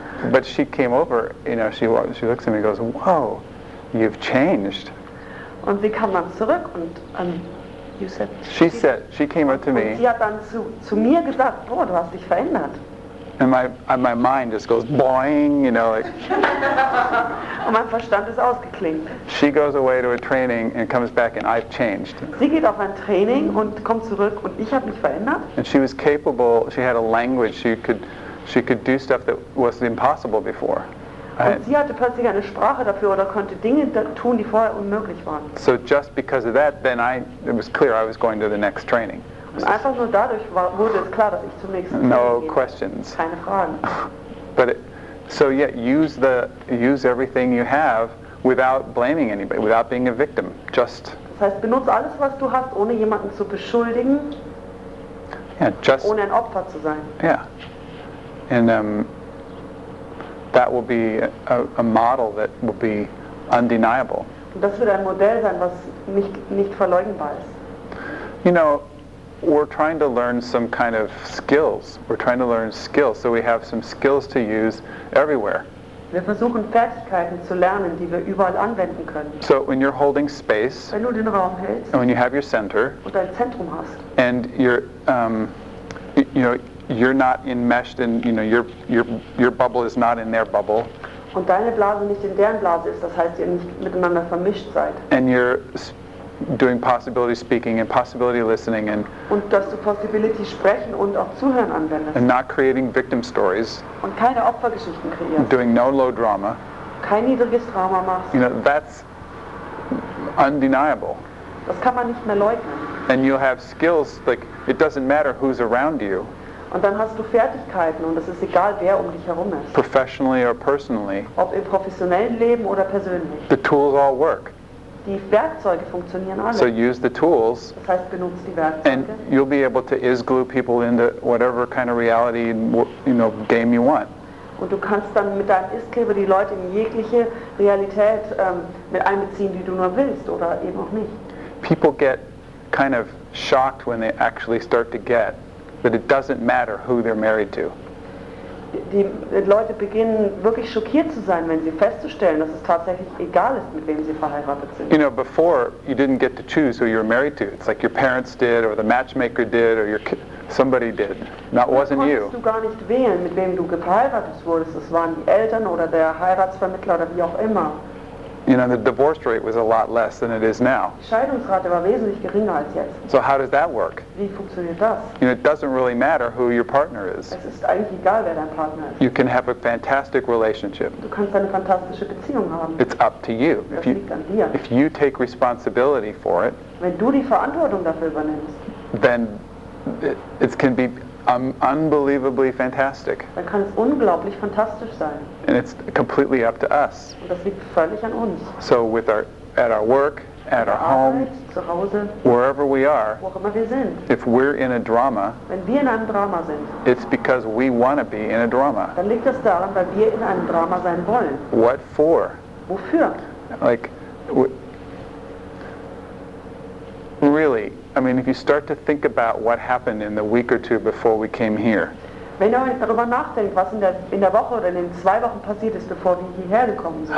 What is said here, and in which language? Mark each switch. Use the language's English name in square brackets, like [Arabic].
[English] But she came over, you know, she looks at me and goes, "Whoa, you've changed." [German] Und sie kam dann zurück und [English] you said, she came up to me. [German] Sie hat dann zu mir gesagt, "Boah, du hast dich verändert." [English] And my mind just goes boing, you know, like. [German] Und mein Verstand ist ausgeklingt. [English] She goes away to a training and comes back and I've changed. [German] Sie geht auf ein Training und kommt zurück und ich habe mich verändert. [English] And she was capable, she had a language, she could do stuff that was impossible before. [German] Und sie hatte plötzlich eine Sprache dafür oder konnte Dinge tun, die vorher unmöglich waren. [English] So just because of that, then it was clear I was going to the next training. [German] Und einfach nur dadurch wurde es klar, dass ich zum nächsten Training gehe. [English] No questions. [German] Keine Fragen. [English] But use everything you have without blaming anybody, without being a victim. Just. [German] Das heißt, benutze alles, was du hast, ohne jemanden zu beschuldigen. [English] Yeah, just. [German] Ohne ein Opfer zu sein. [English] Yeah. And that will be a model that will be undeniable. [German] Das wird ein Modell sein, was nicht verleugnbar ist. [English] You know, we're trying to learn some kind of skills. We're trying to learn skills, so we have some skills to use everywhere. [German] Wir versuchen Fertigkeiten zu lernen, die wir überall anwenden können. [English] So when you're holding space, [German] wenn du den Raum hältst, [English] and when you have your center, [German] und dein Zentrum hast, [English] and you're not enmeshed in, you know, your bubble is not in their bubble. [German] Und deine Blase nicht in deren Blase ist, das heißt, ihr nicht miteinander vermischt seid. [English] And you're doing possibility speaking and possibility listening and [German] und dass du possibility sprechen und auch zuhören anwendest. [English] And not creating victim stories. [German] Und keine Opfergeschichten kreieren. [English] Doing no low drama. [German] Kein niedriges Drama machst. [English] You know, that's undeniable. [German] Das kann man nicht mehr leugnen. [English] And you'll have skills, like, it doesn't matter who's around you. [German] Und dann hast du Fertigkeiten und es ist egal, wer um dich herum ist. [English] Professionally or personally. [German] Ob im professionellen Leben oder persönlich. [English] The tools all work. [German] Die Werkzeuge funktionieren alle. [English] So use the tools. [German] Das heißt, benutze die Werkzeuge. [English] And you'll be able to is-glue people into whatever kind of reality, you know, game you want. [German] Und du kannst dann mit deinem Ist-Kleber die Leute in jegliche Realität mit einbeziehen, die du nur willst oder eben auch nicht. [English] People get kind of shocked when they actually start to get that it doesn't matter who they're married to. [German] Die Leute beginnen wirklich schockiert zu sein, wenn sie festzustellen, dass es tatsächlich egal ist, mit wem sie verheiratet sind. [English] You know, before you didn't get to choose who you were married to. It's like your parents did, or the matchmaker did, or your somebody did. That wasn't you. [German] Du gar nicht wählen, mit wem du geheiratet wurdest. Es waren die Eltern oder der Heiratsvermittler oder wie auch immer. [English] You know, the divorce rate was a lot less than it is now. [German] Die Scheidungsrate war wesentlich geringer als jetzt. [English] So how does that work? [German] Wie funktioniert das? [English] You know, it doesn't really matter who your partner is. [German] Es ist eigentlich egal, wer dein Partner ist. [English] You can have a fantastic relationship. [German] Du kannst eine fantastische Beziehung haben. [English] It's up to you. [German] Das [English] if you, [German] liegt an dir. [English] If you take responsibility for it, [German] wenn du die Verantwortung dafür übernimmst, [English] then it can be unbelievably fantastic. [German] Dann kann es unglaublich fantastisch sein. [English] And it's completely up to us. [German] Und das liegt völlig an uns. [English] So with our at our work, at our [German] Arbeit, [English] home, [German] zu Hause, [English] wherever we are, [German] wo immer wir sind, [English] if we're in a drama, [German] wenn wir in einem Drama sind, [English] it's because we want to be in a drama. [German] Dann liegt das daran, weil wir in einem Drama sein wollen. [English] What for? [German] Wofür? [English] Like, really, I mean, if you start to think about what happened in the week or two before we came here. [German] Wenn ihr darüber nachdenkt, was in der Woche oder in den zwei Wochen passiert ist, bevor wir hierher gekommen sind.